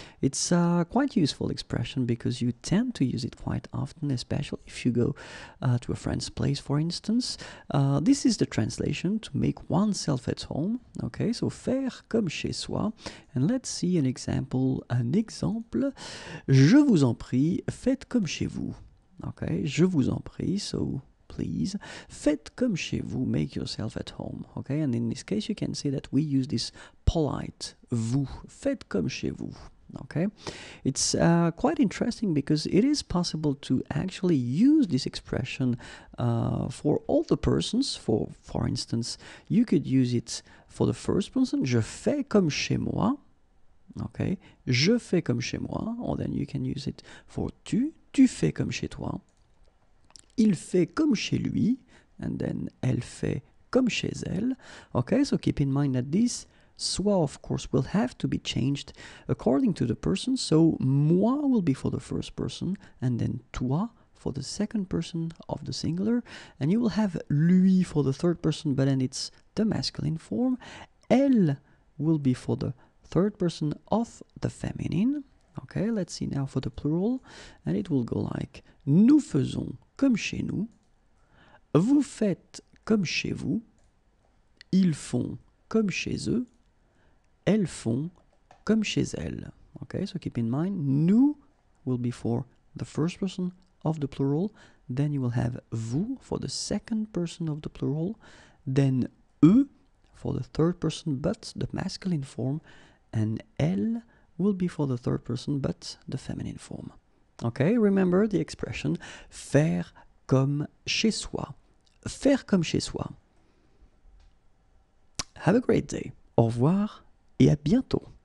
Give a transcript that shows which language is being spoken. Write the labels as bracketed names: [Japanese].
[English] It's a quite useful expression because you tend to use it quite often, especially if you go to a friend's place, for instance. This is the translation to make oneself at home. Okay, so [French] faire comme chez soi. [English] And let's see an example. An example. [French] Je vous en prie, faites comme chez vous. [English] Okay, [French] je vous en prie. [English] So please, [French] faites comme chez vous, [English] make yourself at home. Okay, and in this case, you can see that we use this polite vous, [French] faites comme chez vous. [English] Okay, it's quite interesting because it is possible to actually use this expression for all the persons. For instance, you could use it for the first person, [French] je fais comme chez moi. [English] Okay, [French] je fais comme chez moi, [English] or then you can use it for [French] tu, tu fais comme chez toi. Il fait comme chez lui, and then elle fait comme chez elle. [English] Okay, so keep in mind that this soi, of course, will have to be changed according to the person. So moi will be for the first person, and then toi for the second person of the singular. And you will have lui for the third person, but then it's the masculine form. Elle will be for the third person of the feminine. Okay, let's see now for the plural, and it will go like [French] nous faisons comme chez nous, vous faites comme chez vous, ils font comme chez eux, elles font comme chez elles. [English] Okay, so keep in mind, nous will be for the first person of the plural, then you will have vous for the second person of the plural, then eux for the third person but the masculine form, and elles will be for the third person but the feminine form. Okay, remember the expression [French] faire comme chez soi. Faire comme chez soi. [English] Have a great day. [French] Au revoir et à bientôt.